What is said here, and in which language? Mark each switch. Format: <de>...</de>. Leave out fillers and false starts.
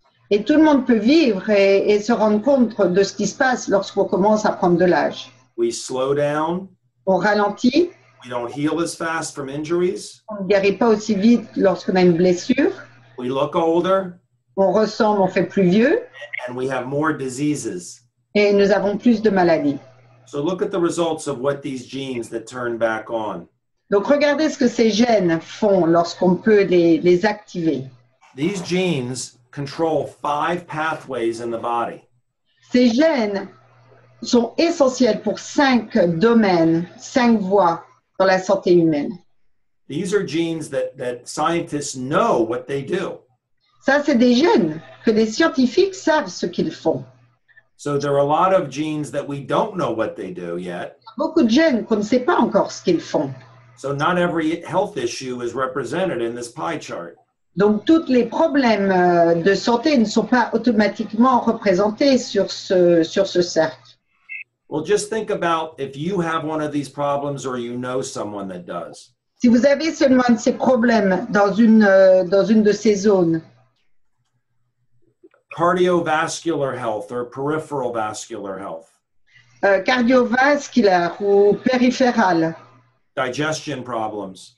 <fr>Et tout le monde peut vivre et se rendre compte de ce qui se passe lorsqu'on commence à prendre de l'âge.</fr> <en>We slow down.</en> <fr>On ralentit.</fr> <en>We don't heal as fast from injuries.</en> <fr>On ne guérit pas aussi vite lorsqu'on a une blessure.</fr> <en>We look older.</en> <fr>On ressemble, on fait plus vieux.</fr> <en>And we have more diseases.</en> <fr>Et nous avons plus de maladies.</fr> <en>So look at the results of what these genes that turn back on.</en> <fr>Donc regardez ce que ces gènes font lorsqu'on peut les activer.</fr> <en>These genes control 5 pathways in the body.</en> <fr>Ces gènes sont essentiels pour 5 domaines, 5 voies dans la santé humaine.</fr> <en>These are genes that scientists know what they do.</en> <fr>Ça, c'est des gènes que les scientifiques savent ce qu'ils font.</fr> <en>So there are a lot of genes that we don't know what they do yet.</en> <fr>Beaucoup de gènes qu'on ne sait pas encore ce qu'ils font.</fr> <en>So not every health issue is represented in this pie chart.</en> <fr>Donc, tous les problèmes de santé ne sont pas automatiquement représentés sur ce cercle.</fr> <en>Well, just think about if you have one of these problems or you know someone that does.</en> <fr>Si vous avez seulement un de ces problèmes dans une de ces zones.</fr> <en>Cardiovascular health or peripheral vascular health.</en> <fr>Cardiovasculaire ou périphéral.</fr> <en>Digestion problems.</en>